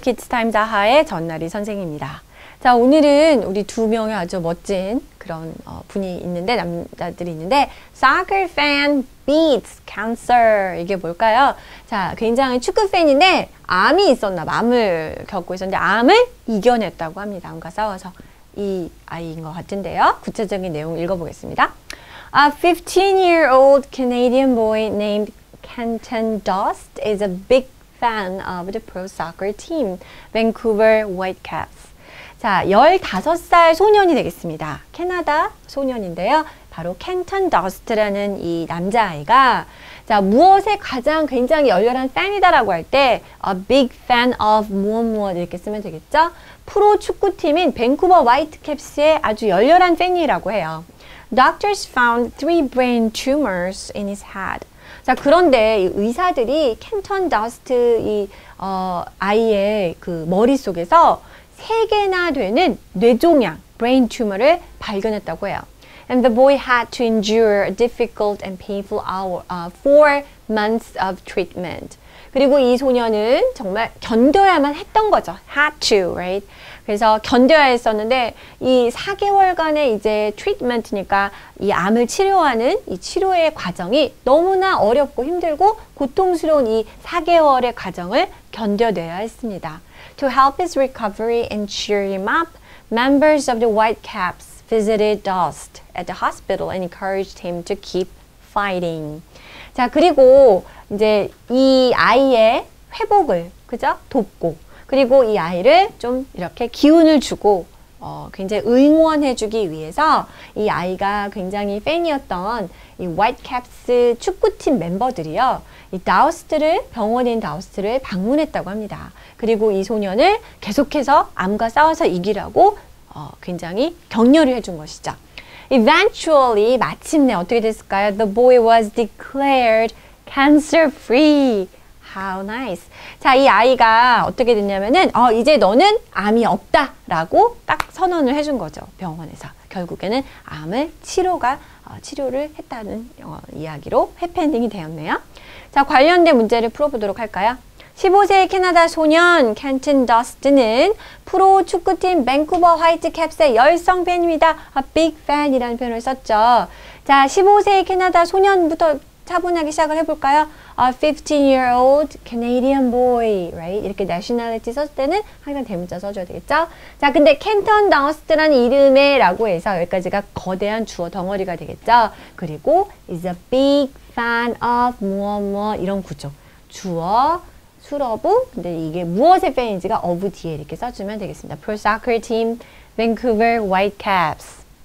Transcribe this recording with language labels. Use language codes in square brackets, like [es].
[ko] 키즈타임즈 하의 전나리 선생님입니다. 자, 오늘은 우리 두 명의 아주 멋진 그런 분이 있는데, 남자들이 있는데, [en] soccer fan beats cancer. [ko] 이게 뭘까요? 자, 굉장히 축구 팬인데, 암이 있었나 봐. 암을 겪고 있었는데, 암을 이겨냈다고 합니다. 암과 싸워서 이 아이인 것 같은데요. 구체적인 내용 읽어보겠습니다. [en] A 15-year-old Canadian boy named Kenton Dost is a big fan of the pro soccer team, Vancouver Whitecaps. [ko] 자, 15살 소년이 되겠습니다. 캐나다 소년인데요. 바로 Kenton Dost라는 이 남자아이가 자, 무엇에 가장 굉장히 열렬한 팬이다라고 할 때 [en] a big fan of [ko] 무엇무엇 이렇게 쓰면 되겠죠? 프로 축구팀인 Vancouver Whitecaps의 아주 열렬한 팬이라고 해요. [en] Doctors found three brain tumors in his head. [ko] 자, 그런데 의사들이 캔턴 더스트 이 아이의 그 머릿속에서 세 개나 되는 뇌종양, brain tumor를 발견했다고 해요. [en] And the boy had to endure a difficult and painful four months of treatment. [ko] 그리고 이 소년은 정말 견뎌야만 했던 거죠. [en] Had to, right? [ko] 그래서 견뎌야 했었는데 이 4개월간의 이제 트리트먼트니까 이 암을 치료하는 이 치료의 과정이 너무나 어렵고 힘들고 고통스러운 이 4개월의 과정을 견뎌내야 했습니다. [en] To help his recovery and cheer him up, members of the Whitecaps visited Dost at the hospital and encouraged him to keep fighting. [ko] 자, 그리고 이제 이 아이의 회복을 그죠? 돕고 그리고 이 아이를 좀 이렇게 기운을 주고 굉장히 응원해 주기 위해서 이 아이가 굉장히 팬이었던 이 화이트캡스 축구팀 멤버들이요. 이 다우스트를 병원인 다우스트를 방문했다고 합니다. 그리고 이 소년을 계속해서 암과 싸워서 이기라고 굉장히 격려를 해준 것이죠. [en] Eventually [ko] 마침내 어떻게 됐을까요? [en] The boy was declared cancer free. How nice. [ko] 자, 이 아이가 어떻게 됐냐면은 이제 너는 암이 없다 라고 딱 선언을 해준 거죠. 병원에서 결국에는 암을 치료를 했다는 이야기로 해피엔딩이 되었네요. 자, 관련된 문제를 풀어보도록 할까요? 15세의 캐나다 소년 Kenton Dost는 프로 축구팀 Vancouver Whitecaps의 열성 팬입니다. [en] A big fan [ko] 이라는 표현을 썼죠. 자, 15세의 캐나다 소년부터 차분하게 시작을 해볼까요? [en] A 15-year-old Canadian boy, right? [ko] 이렇게 nationality 썼을 때는 항상 대문자 써줘야 되겠죠? 자, 근데 Kenton Dost라는 이름에 라고 해서 여기까지가 거대한 주어 덩어리가 되겠죠? 그리고 [en] is a big fan of [ko] 뭐뭐 이런 구조. 주어, 수러부, 근데 이게 무엇의 팬인지가 of 뒤에 이렇게 써주면 되겠습니다. [en] Pro soccer team, Vancouver Whitecaps.